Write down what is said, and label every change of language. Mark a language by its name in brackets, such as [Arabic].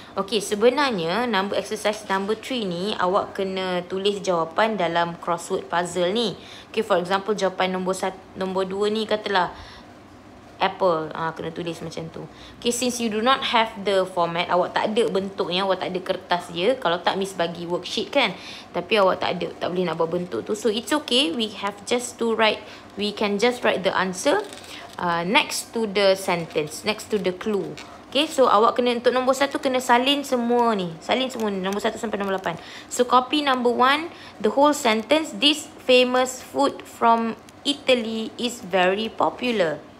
[Malay] Okay, sebenarnya number exercise number 3 ni awak kena tulis jawapan dalam crossword puzzle ni. Okay, for example jawapan nombor 2 ni katalah apple, kena tulis macam tu. Okay, [English] since you do not have the format, [Malay] awak tak ada bentuknya, awak tak ada kertas dia. Kalau tak, Miss bagi worksheet kan. Tapi awak tak ada, tak boleh nak buat bentuk tu. [English] So, it's okay. We have just to write, we can just write the answer next to the sentence, next to the clue. [Malay] Okay, so awak kena, untuk nombor 1, kena salin semua ni. Salin semua ni, nombor 1 sampai nombor 8. [English] So, copy number 1, the whole sentence, this famous food from Italy is very popular.